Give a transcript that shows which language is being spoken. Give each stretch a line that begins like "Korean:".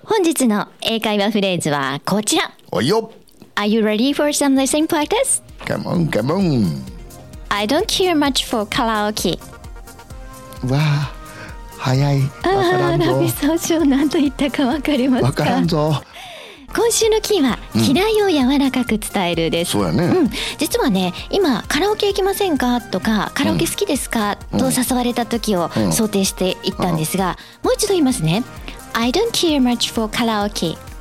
Japanese: 本日の英会話フレーズはこちら。おいよ。
English: Are you ready for some listening practice? Come on, come on. I don't care much for karaoke.
Japanese: わあ、早い。わからんぞ。ラビ少将、何と言ったかわかりますか？わからんぞ。今週のキーは嫌いを柔らかく伝えるです、うん、そうやね、うん、実はね今カラオケ行きませんかとかカラオケ好きですか、うん、と誘われた時を想定していったんですが、うん、もう一度言いますね。
English: I don't care much for karaoke.